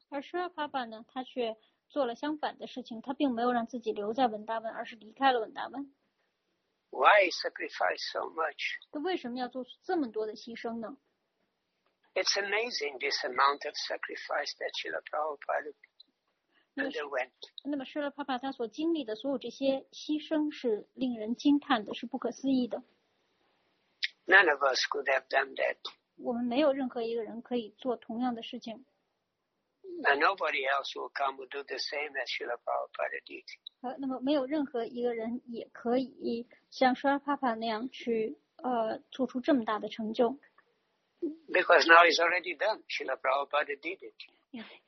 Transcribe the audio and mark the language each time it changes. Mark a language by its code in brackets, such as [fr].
[zh] 而舒拉帕帕呢，他却做了相反的事情，他并没有让自己留在文达文，而是离开了文达文。 [en] Why sacrifice so much? [zh] 他为什么要做出这么多的牺牲呢？ [en] It's amazing this amount of sacrifice that Srila Prabhupada underwent. [zh] 那么舒拉帕帕他所经历的所有这些牺牲是令人惊叹的，是不可思议的。 [en] None of us could have done that. [zh] 我们没有任何一个人可以做同样的事情。 [en] And nobody else will come and do the same as Srila Prabhupada did. [zh] 那么没有任何一个人也可以像 Srila Prabhupada 那样去做出这么大的成就。 [en] Because now it's already done. Srila Prabhupada did it.